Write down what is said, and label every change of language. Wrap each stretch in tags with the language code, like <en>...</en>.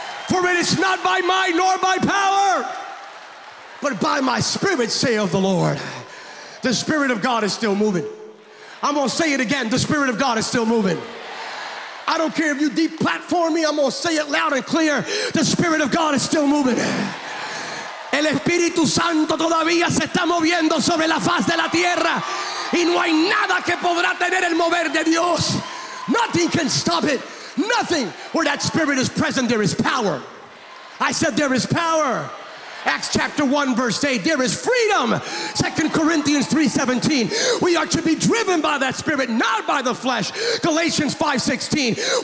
<en>For it is not by might nor by power, but by my spirit, saith the Lord. The spirit of God is still moving. I'm gonna say it again, the spirit of God is still moving. I don't care if you deplatform me, I'm gonna say it loud and clear. The spirit of God is still moving.</en> <es>El Espíritu Santo todavía se está moviendo sobre la faz de la tierra. Y no hay nada que podrá tener el mover de Dios.</es> <en>Nothing can stop it. Nothing. Where that spirit is present, there is power. I said there is power. Acts chapter 1, verse 8. There is freedom. 2 Corinthians 3:17. We are to be driven by that spirit, not by the flesh. Galatians 5:16.</en>